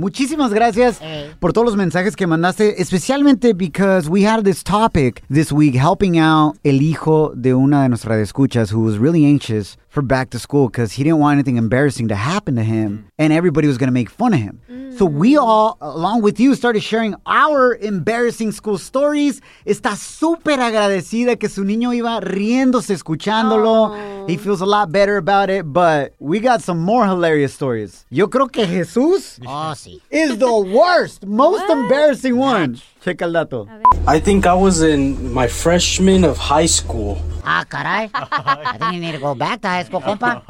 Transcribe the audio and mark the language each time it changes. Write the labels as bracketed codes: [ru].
[es] Muchísimas gracias por todos los mensajes que mandaste, especialmente [en] because we had this topic this week, helping out [es] el hijo de una de nuestras radioescuchas [en] who was really anxious for back to school because he didn't want anything embarrassing to happen to him and everybody was going to make fun of him. So we all, along with you, started sharing our embarrassing school stories. [es] Está súper agradecida que su niño iba riéndose escuchándolo. Aww. [en] He feels a lot better about it, but we got some more hilarious stories. [es] Yo creo que [en] Jesús is the worst, most embarrassing one. Check [es] el dato. [en] I think I was in my freshman of high school. [es] Ah, caray. [en] I think you need to go back to high school, compa.